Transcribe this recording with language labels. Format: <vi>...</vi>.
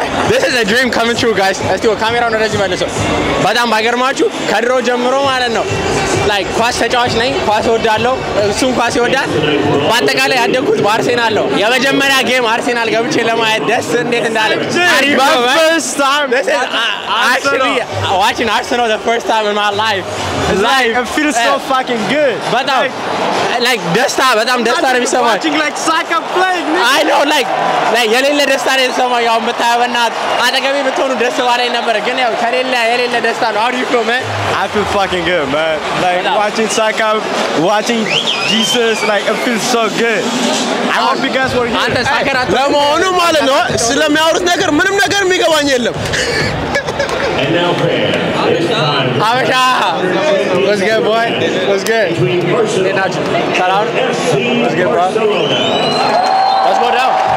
<en>this is a dream coming true guys</en> <am>እስቲ ካሜራውን ወደዚህ መልሶ በጣም ባገርማችሁ ከድሮ ጀምሮ ማለት ነው ላይክ ኳስ ተጫዋች ነኝ ኳስ ወዳለው እሱም ኳስ ይወዳል በአጠቃላይ ያደኩት አርሰናል ነው የመጀመሪያ ጌም አርሰናል ገብቼ ለማየት ደስ እንዴት እንዳለ</am> <en>አሪባ first time this is actually watching Arsenal the first time in my life it's like it feels so fucking good</en> <am>but like ደስታ በጣም ደስታ ነው የሚሰማው</am> <en>watching like soccer playing I know like</en> <am>የሌለ ደስታ ነው የሚሰማው ያው መታበና አጠገቢ ብትሆኑ ደስ ባለኝ ነበር ግን ያው ከሌለ ደስታ ነው</am> <en>how do you feel man I feel fucking good man like watching soccer watching jesus like it feels so good I hope you guys were here</en> <am>ለመሆኑ ማለት ነው ስለሚያወሩት ነገር ምንም ነገር የሚገባኝ የለም</am> <en>and now prayer Avisha what's good boy what's good hey Nacho shout out what's good bro let's go down</en>